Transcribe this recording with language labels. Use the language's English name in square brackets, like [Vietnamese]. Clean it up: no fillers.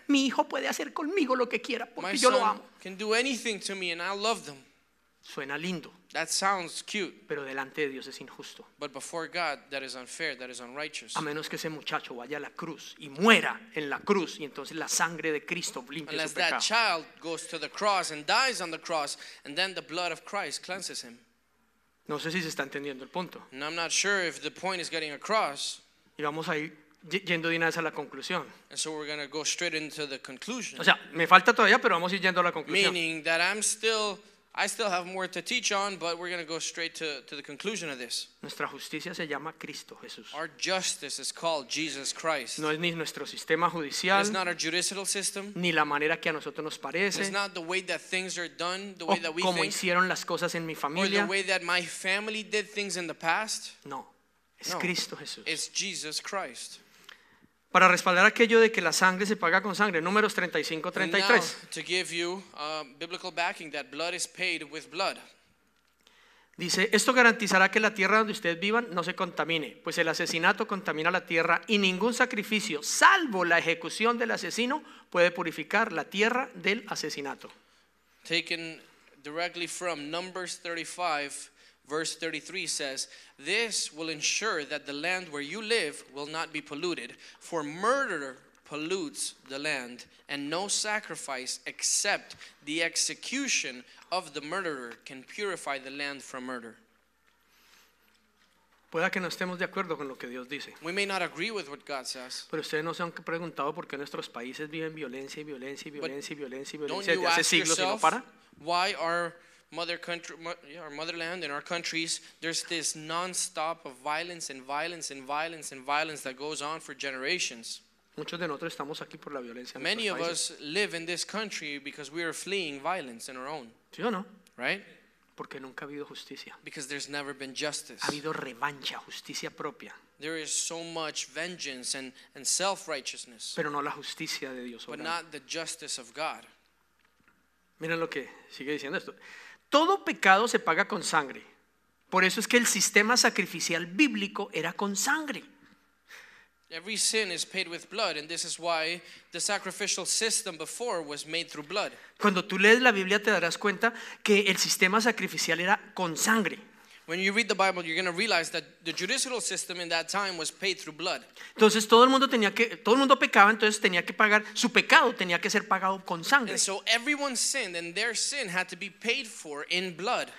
[Spanish] Mi hijo puede hacer conmigo lo que quiera porque [English] my [Spanish] yo lo amo. [English] Can do anything to me and I love them. [Spanish] Suena lindo. [English] That sounds cute. [Spanish] Pero delante de Dios es injusto. [English] But before God, that is unfair, that is unrighteous. [Spanish] A menos que ese muchacho vaya a la cruz y muera en la cruz y entonces la sangre de Cristo limpie [English] unless [Spanish] su pecado. [English] Unless that child goes to the cross and dies on the cross and then the blood of Christ cleanses him. [Spanish] No sé si se está entendiendo el punto. [English] And I'm not sure if the point is getting across. [Spanish] Y vamos a ir yendo de una vez a la conclusión. [English] And so we're going to go straight into the conclusion. [Spanish] O sea, me falta todavía, pero vamos a ir yendo a la conclusión. [English] Meaning that I still have more to teach on, but we're going to go straight to the conclusion of this. [Spanish] Nuestra justicia se llama Cristo Jesús. [English] Our justice is called Jesus Christ. [Spanish] No es ni nuestro sistema judicial. [English] It's not our judicial system. [Spanish] Ni la manera que a nosotros nos parece. [English] It's not the way that things are done, the way that we think. [Spanish] Como hicieron las cosas en mi familia. [English] Or the way that my family did things in the past. [Spanish] No, es Cristo Jesús. [English] It's Jesus Christ. [Spanish] Para respaldar aquello de que la sangre se paga con sangre, números 35:33. [English] To give you biblical backing that blood is paid with blood. [Spanish] Dice, esto garantizará que la tierra donde ustedes vivan no se contamine, pues el asesinato contamina la tierra y ningún sacrificio, salvo la ejecución del asesino, puede purificar la tierra del asesinato. [English] Taken directly from Numbers 35, verse 33 says, this will ensure that the land where you live will not be polluted, for murder pollutes the land, and no sacrifice except the execution of the murderer can purify the land from murder. [Spanish] Pueda que no estemos de acuerdo con lo que Dios dice. [English] We may not agree with what God says. [Spanish] Pero ustedes no se han preguntado por qué nuestros países viven violencia y violencia y violencia y violencia y violencia desde hace siglos y no para. [English] Why our motherland and our countries, there's this non-stop of violence and violence and violence and violence that goes on for generations. [Spanish] Muchos de nosotros estamos aquí por la violencia. [English] Many of us live in this country because we are fleeing violence in our own. [Spanish] ¿Sí o no? [English] Right? [Spanish] Porque nunca ha habido justicia. [English] Because there's never been justice. [Spanish] Ha habido revancha, justicia propia. [English] There is so much vengeance and self-righteousness. [Spanish] Pero no la justicia de Dios. [English] But not the justice of God. [Spanish] Miren lo que sigue diciendo esto. Todo pecado se paga con sangre. Por eso es que el sistema sacrificial bíblico era con sangre. [English] Every sin is paid with blood, and this is why the sacrificial system before was made through blood. [Spanish] Cuando tú lees la Biblia te darás cuenta que el sistema sacrificial era con sangre. [English] When you read the Bible, you're going to realize that the judicial system in that time was paid through blood. [Spanish] Entonces todo el mundo pecaba, entonces tenía que pagar su pecado, tenía que ser pagado con sangre. [English] And so everyone sinned, and their sin had to be paid for in blood.